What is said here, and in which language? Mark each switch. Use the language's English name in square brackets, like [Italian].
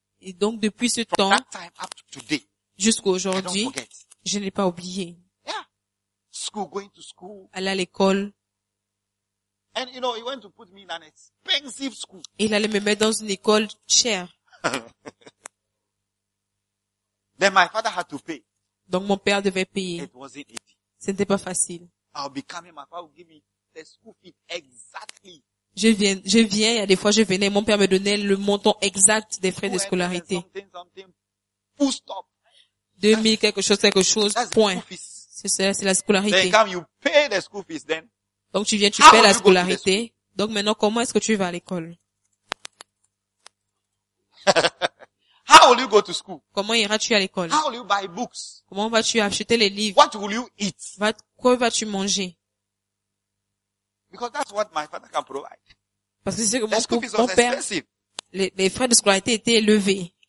[French] Et donc depuis ce [English] from [French] temps, [English] that time up to today, [French] jusqu'aujourd'hui, je n'ai pas oublié. [English] Yeah. School, going to school. [French] Aller à l'école. [English] And you know, he went to put me in an expensive school. [French] Il allait me mettre dans une école chère. [English] Then my father had to pay. [French] Donc mon père devait payer. [English] It wasn't easy. [French] Ce n'était pas facile. [English] I'll be coming. My father will give me the school fee exactly. [French] Je viens, il y a des fois je venais, mon père me donnait le montant exact des frais de scolarité. [English] Something, [French] 2000 quelque chose, point. C'est la scolarité. [English] Then come, you pay the school fees, then. [French] Donc tu viens, tu How payes la scolarité. Donc maintenant, comment est-ce que tu vas à l'école? [English] How will you go to school? [French] Comment iras-tu à l'école? [English] How will you buy books? [French] Comment vas-tu acheter les livres? [English] What will you eat? [French] Quoi vas-tu manger? [English] Because that's what my father can provide. [French] Parce que c'est que mon père, les frais de scolarité étaient élevés.